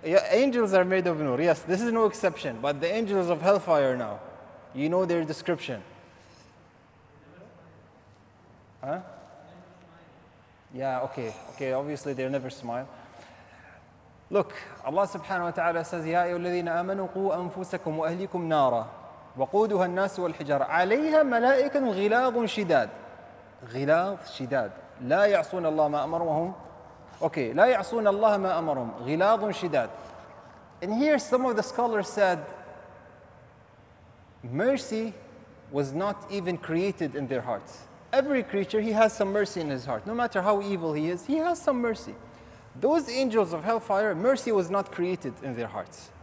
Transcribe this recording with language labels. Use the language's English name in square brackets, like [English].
[English] Angels are made of nur. Yes, this is no exception. But the angels of hellfire now, you know their description. Huh? Yeah, okay. Okay, obviously they never smile. Look, Allah subhanahu wa ta'ala says, [Arabic] يَا أَيُّهَا الَّذِينَ آمَنُوا قُوا أَنفُسَكُمْ وَأَهْلِكُمْ نَارًا وَقُودُهَا النَّاسُ وَالْحِجَارَةُ عَلَيْهَا مَلَائِكَةٌ غِلَاظٌ شِدَادٌ. غلاظ شداد. لا يعصون الله ما أمرهم. Okay, لا يعصون الله ما أمرهم. غلاظ شداد. [English] And here some of the scholars said, mercy was not even created in their hearts. Every creature, he has some mercy in his heart. No matter how evil he is, he has some mercy. Those angels of hellfire, mercy was not created in their hearts.